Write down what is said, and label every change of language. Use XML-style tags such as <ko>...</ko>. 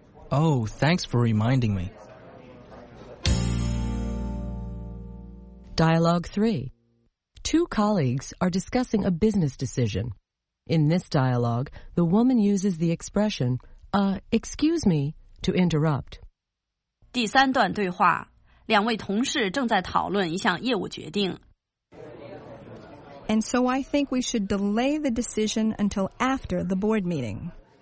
<en>Oh, thanks for reminding me. Dialogue 3. Two colleagues are discussing a business decision. In this dialogue, the woman uses the expression, excuse me, to interrupt.</en> <zh>第三段对话，两位同事正在讨论一项业务决定。</zh> <en>And so I think we should delay the decision until after the board meeting.</en>